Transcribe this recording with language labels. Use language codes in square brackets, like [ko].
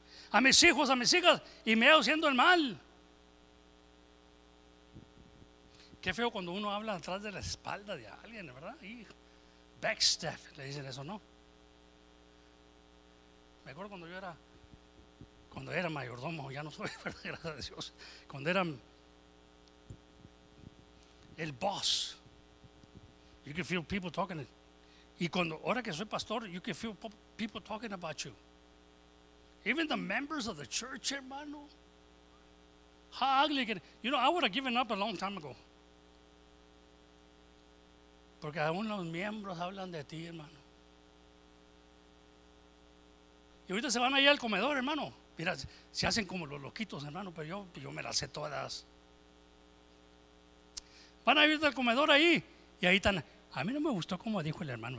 [es] A mis hijos, a mis hijas, y me hallo haciendo el mal. Qué feo cuando uno habla atrás de la espalda de alguien, ¿verdad? Hijo. Backstaff, le dicen eso, ¿no? Me acuerdo cuando yo era, mayordomo, ya no soy, ¿verdad? Gracias a Dios. Cuando era el boss, [en] you can feel people talking. [es] Y cuando, ahora que soy pastor, [en] you can feel people talking about you. Even the members of the church, [es] hermano. [en] How ugly can, you know, I would have given up a long time ago. [es] Porque aún los miembros hablan de ti, hermano. Y ahorita se van ahí al comedor, hermano. Mira, se hacen como los loquitos, hermano, pero yo me las sé todas. Van a ir al comedor ahí. Y ahí están. A mí no me gustó como dijo el hermano.